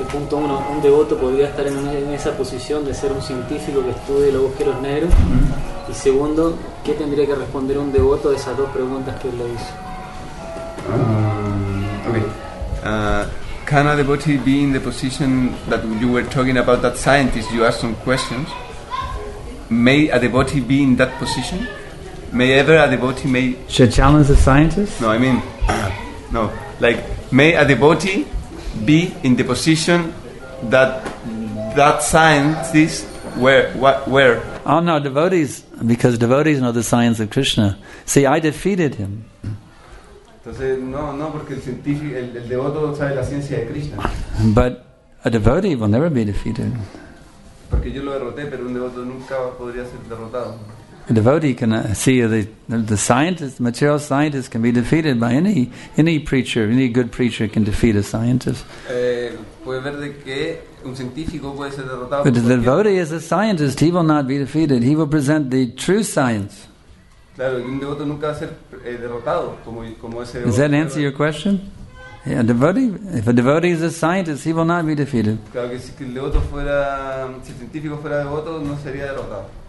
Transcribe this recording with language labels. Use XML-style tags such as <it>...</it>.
<es>El punto uno, un devoto podría estar en esa posición de ser un científico que estudie los agujeros negros. Mm-hmm. Y segundo, ¿qué tendría que responder un devoto a esas dos preguntas que él le hizo?</es> <en>Can a devotee be in the position that you were talking about, that scientist, you asked some questions? May a devotee be in that position? May ever a devotee may... Should challenge the scientist? No, I mean... No. Like, may a devotee be in the position that scientist where? What, where? Oh, no, devotees... Because devotees know the science of Krishna. See, I defeated him.</en> <es>Entonces, no, porque el científico, el devoto sabe la ciencia de Krishna.</es> <en>But a devotee will never be defeated.</en> <es>Porque yo lo derroté, pero un devoto nunca podría ser derrotado.</es> <en>A devotee can see the scientist, material scientist can be defeated by any preacher, any good preacher can defeat a scientist.</en> <es>Puede ver de que un científico puede ser derrotado.</es> <en>But the devotee is a scientist, he will not be defeated. He will present the true science.</en> <es>Claro, un devoto nunca va a ser derrotado como ese devoto.</es> <en>Does that answer your question? Yeah, if a devotee is a scientist, he will not be defeated.</en> <es>Claro que si el devoto fuera, si el científico fuera devoto, no sería derrotado.</es>